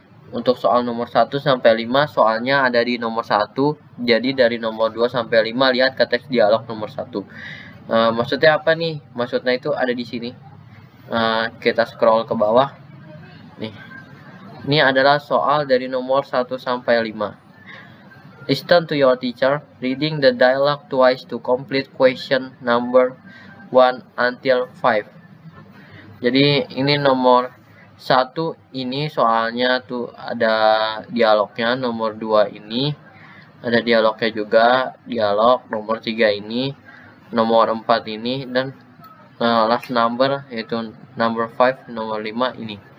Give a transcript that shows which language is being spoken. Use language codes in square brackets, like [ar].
[id] Untuk soal nomor 1 sampai 5, soalnya ada di nomor 1. Jadi dari nomor 2 sampai 5, lihat ke teks dialog nomor 1. Maksudnya apa nih? Maksudnya itu ada di sini. Kita scroll ke bawah. Nih. Ini adalah soal dari nomor 1 sampai 5. [en] Listen to your teacher, reading the dialogue twice to complete question number 1 until 5. [id] Jadi ini nomor 1 ini soalnya tuh ada dialognya, nomor 2 ini ada dialognya juga, dialog, nomor 3 ini, nomor 4 ini, dan [en] last number [id] yaitu number 5, nomor 5 ini.